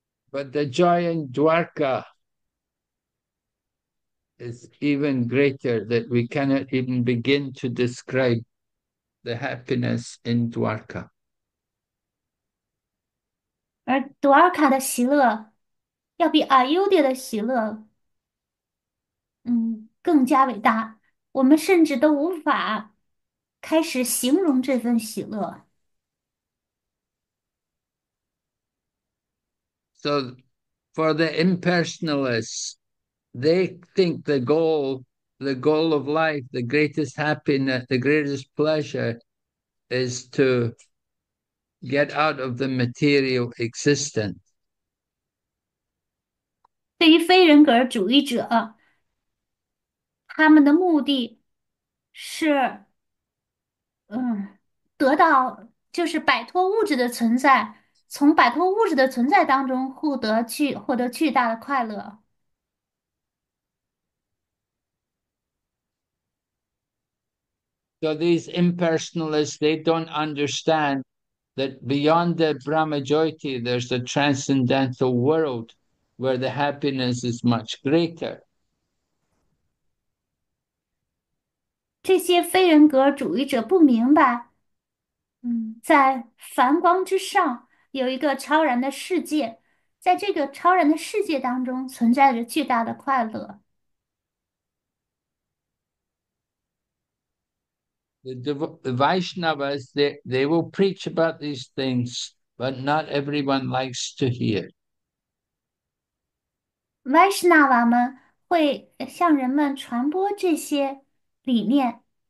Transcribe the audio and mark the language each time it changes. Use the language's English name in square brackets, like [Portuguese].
[English] But the joy in Dwarka is even greater that we cannot even begin to describe the happiness in Dwarka. [Chinese] 而多尔卡的喜乐要比阿尤爹的喜乐，更加伟大。我们甚至都无法开始形容这份喜乐。 [English] So, for the impersonalists, they think the goal of life, the greatest happiness, the greatest pleasure, is to get out of the material existence. [Chinese] 对于非人格主义者，他们的目的是，得到就是摆脱物质的存在，从摆脱物质的存在当中获得巨大的快乐。 [English] So these impersonalists, they don't understand that beyond the Brahmajyoti, there's a transcendental world where the happiness is much greater. [Chinese] 这些非人格主义者不明白，在梵光之上有一个超然的世界，在这个超然的世界当中存在着巨大的快乐。 [English] The Vaishnavas, they will preach about these things, but not everyone likes to hear. [Chinese] Vaishnava 们会向人们传播这些理念。